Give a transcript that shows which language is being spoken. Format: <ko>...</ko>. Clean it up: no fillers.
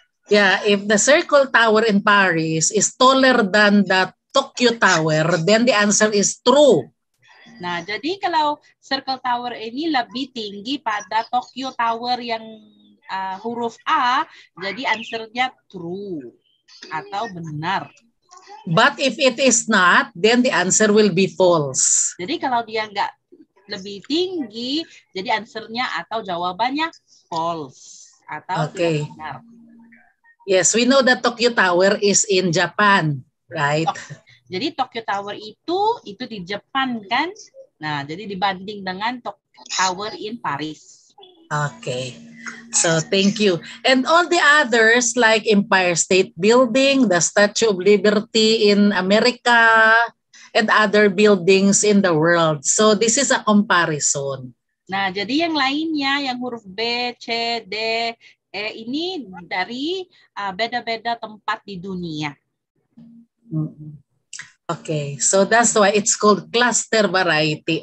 <en>Yeah, if the Circle Tower in Paris is taller than that Tokyo Tower, then the answer is true.</en> <id>Nah, jadi kalau Circle Tower ini lebih tinggi pada Tokyo Tower yang huruf A, jadi answernya true atau benar.</id> <en>But if it is not, then the answer will be false.</en> <id>Jadi kalau dia nggak lebih tinggi, jadi answernya atau jawabannya false atau okay. Tidak benar.</id> <en>Yes, we know that Tokyo Tower is in Japan, right?</en> <id>Jadi Tokyo Tower itu di Jepang kan? Nah, jadi dibanding dengan Tokyo Tower</id> <en>in Paris. Okay. So, thank you. And all the others like Empire State Building, the Statue of Liberty in America, and other buildings in the world. So, this is a comparison.</en> <id>Nah, jadi yang lainnya, yang huruf B, C, D, E, ini dari beda-beda tempat di dunia.</id> <en>Okay, so that's why it's called cluster variety.</en>